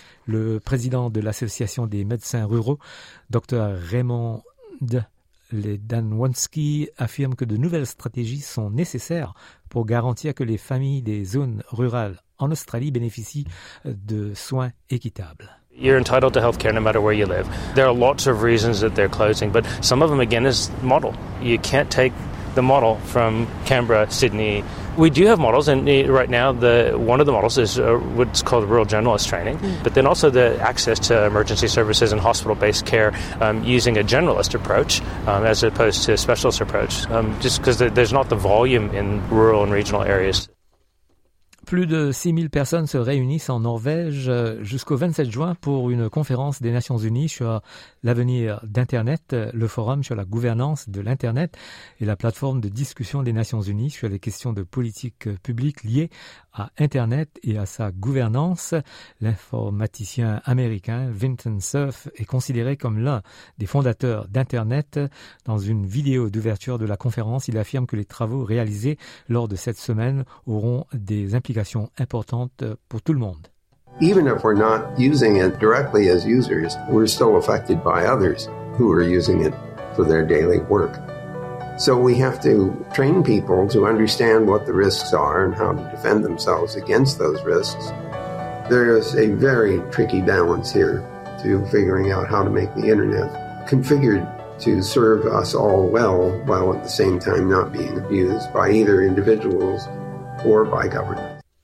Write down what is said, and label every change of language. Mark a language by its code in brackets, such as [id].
[fr] Le président de l'Association des médecins ruraux, Dr Raymond Danwanski, affirme que de nouvelles stratégies sont nécessaires pour garantir que les familles des zones rurales en Australie bénéficient de soins équitables. [en] You're entitled to healthcare no matter where you live. There are lots of reasons that they're closing, but some of them, again, is model. You can't take the model from Canberra, Sydney. We do have models, and right now one of the models is what's called rural generalist training, but then also the access to emergency services and hospital-based care using a generalist approach as opposed to a specialist approach, just because there's not the volume in rural and regional areas. [fr] Plus de 6000 personnes se réunissent en Norvège jusqu'au 27 juin pour une conférence des Nations Unies sur l'avenir d'Internet, le forum sur la gouvernance de l'Internet et la plateforme de discussion des Nations Unies sur les questions de politique publique liées à Internet et à sa gouvernance. L'informaticien américain Vinton Cerf est considéré comme l'un des fondateurs d'Internet. Dans une vidéo d'ouverture de la conférence, il affirme que les travaux réalisés lors de cette semaine auront des implications importantes pour tout le monde. [en] Even if we're not using it directly as users, we're still affected by others who are using it for their daily work. So we have to train people to understand what the risks are and how to defend themselves against those risks. There is a very tricky balance here to figuring out how to make the internet configured to serve us all well, while at the same time not being abused by either individuals or by government.